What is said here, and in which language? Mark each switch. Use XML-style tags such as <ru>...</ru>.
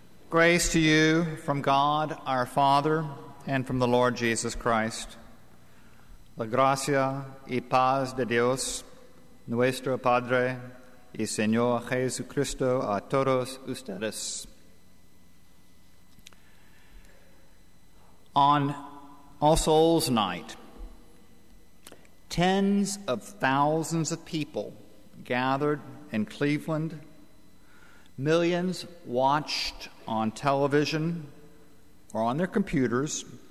<en>Grace to you from God, our Father, and from the Lord Jesus Christ.</en> <es>La gracia y paz de Dios, nuestro Padre, y Señor Jesucristo a todos ustedes.</es> <en>On All Souls Night, tens of thousands of people gathered in Cleveland. Millions watched on television or on their computers.</en>